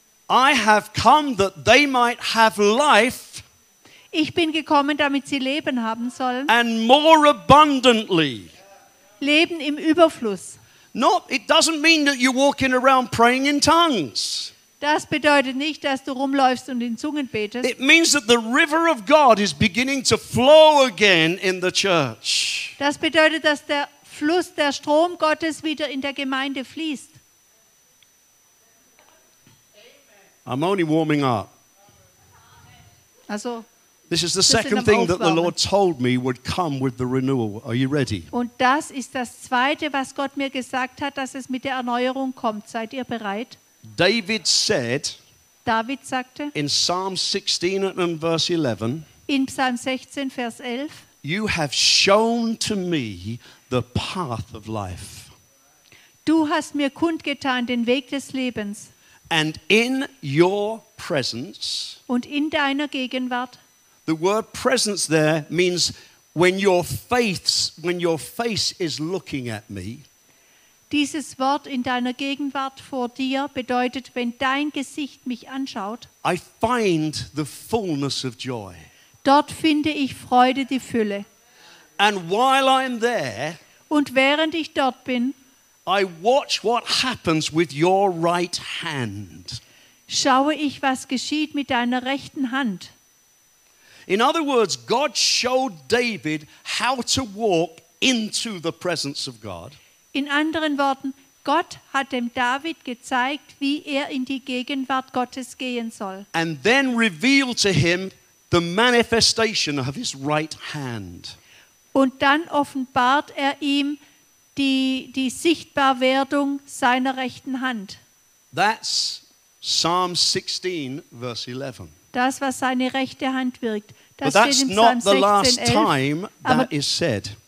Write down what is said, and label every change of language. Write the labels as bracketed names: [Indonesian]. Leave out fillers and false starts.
[English] I have come that they might have life. [German] Ich bin gekommen, damit sie Leben haben sollen. [English] And more abundantly. [German] Leben im Überfluss. [English] No, it doesn't mean that you're walking around praying in tongues. [German] Das bedeutet nicht, dass du rumläufst und in Zungen betest. [English] It means that the river of God is beginning to flow again in the church. [German] Das bedeutet, dass der Fluss, der Strom Gottes wieder in der Gemeinde fließt. [English] I'm only warming up. [German] Also, [English] this is the second thing that the Lord told me would come with the renewal. Are you ready? [German] Und das ist das zweite, was Gott mir gesagt hat, dass es mit der Erneuerung kommt. Seid ihr bereit? [English] David said, [German] David sagte, [English] in Psalm 16 and verse 11, [German] in Psalm 16, Vers 11, [English] you have shown to me the path of life. [German] Du hast mir kundgetan den Weg des Lebens. [English] And in your presence, [German] und in deiner Gegenwart, [English] the word presence there means when your face is looking at me. [German] Dieses Wort in deiner Gegenwart vor dir bedeutet, wenn dein Gesicht mich anschaut. [English] I find the fullness of joy. [German] Dort finde ich Freude, die Fülle. [English] And while I'm there, [German] und während ich dort bin, [English] I watch what happens with your right hand. [German] Schaue ich, was geschieht mit deiner rechten Hand. [English] In other words, God showed David how to walk into the presence of God. [German] In anderen Worten, Gott hat dem David gezeigt, wie er in die Gegenwart Gottes gehen soll. [English] And then revealed to him the manifestation of his right hand. [German] Und dann offenbart er ihm die Sichtbarwerdung seiner rechten Hand. [English] That's Psalm 16, verse 11. [German] Das, was seine rechte Hand wirkt. Das steht in Psalm 16, 11. [English] The last time that is said.